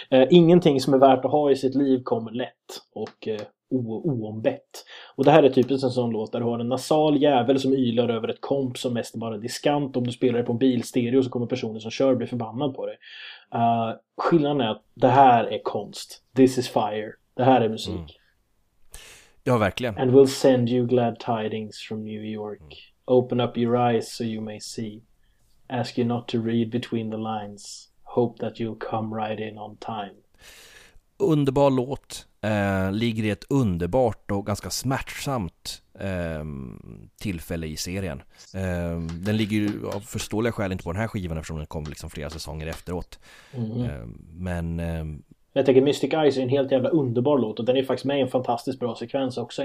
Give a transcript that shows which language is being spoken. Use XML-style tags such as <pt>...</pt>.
<sv>Ingenting som är värt att ha i sitt liv kommer lätt och oombett. Och det här är typiskt en sån låt där du har en nasal jävel som ylar över ett komp som mest bara diskant. Om du spelar det på en bilstereo så kommer personen som kör bli förbannad på dig. Skillnaden är att det här är konst.</sv> <en>This is fire.</en> <sv>Det här är musik. Mm. Ja, verkligen.</sv> <en>And we'll send you glad tidings from New York. Mm. Open up your eyes so you may see. Ask you not to read between the lines. Hope that you'll come right in on time.</en> <sv>Underbar låt. Ligger i ett underbart och ganska smärtsamt tillfälle i serien. Den ligger ju av förståeliga skäl inte på den här skivan eftersom den kom liksom flera säsonger efteråt. Men jag tänker Mystic Eyes är en helt jävla underbar låt och den är faktiskt med i en fantastiskt bra sekvens också.</sv>